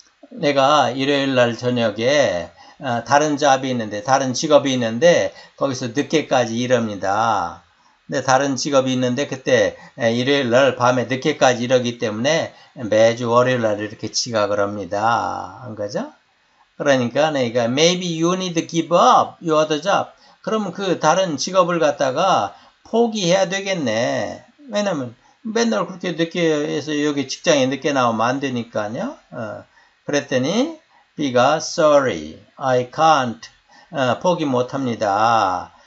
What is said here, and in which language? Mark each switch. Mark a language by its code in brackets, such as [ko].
[ko] 내가 일요일 날 저녁에 다른 잡이 있는데 다른 직업이 있는데 거기서 늦게까지 일합니다. 근데 다른 직업이 있는데 그때 일요일 날 밤에 늦게까지 일하기 때문에 매주 월요일 날 이렇게 지각을 합니다. 안 그죠? 그러니까 내가 [en] maybe you need to give up your other job. [ko] 그럼 그 다른 직업을 갖다가 포기해야 되겠네. 왜냐면 맨날 그렇게 늦게 해서 여기 직장에 늦게 나오면 안 되니까요. 그랬더니 B가 [en] Sorry, I can't [ko] 포기 못합니다.